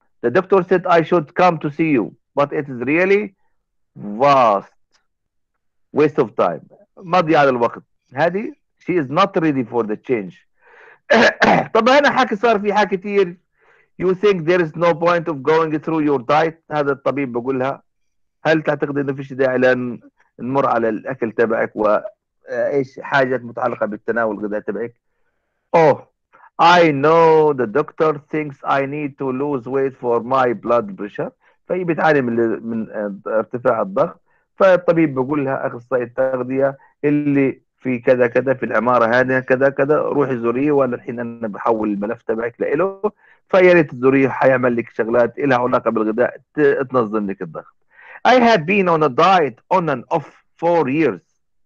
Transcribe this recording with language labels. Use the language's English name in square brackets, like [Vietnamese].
[English] The doctor said I should come to see you, but it is really vast waste of time. [Arabic] مضي على الوقت. [English] هذه she is not ready for the change. [Arabic] طب أنا حكي صار في حاجة كتير. [English] You think there is no point of going through your diet. [Arabic] هذا الطبيب بقولها، هل تعتقد أنه فيش داعي لأن نمر على الأكل تبعك و ايش حاجات متعلقة بالتناول الغذائي تبعك؟ [English] Oh, I know the doctor thinks I need to lose weight for my blood pressure. [Arabic] فهي بتعاني من ارتفاع الضغط، فالطبيب بيقول لها اخصائي التغذية اللي في كذا كذا في الإمارة هذه كذا كذا، روحي زوريه، ولا الحين أنا بحول الملف تبعك لإله، فيا ريت تزوريه، حيعمل لك شغلات إلها علاقة بالغذاء تنظم لك الضغط. [English] I have been on a diet on and off for years.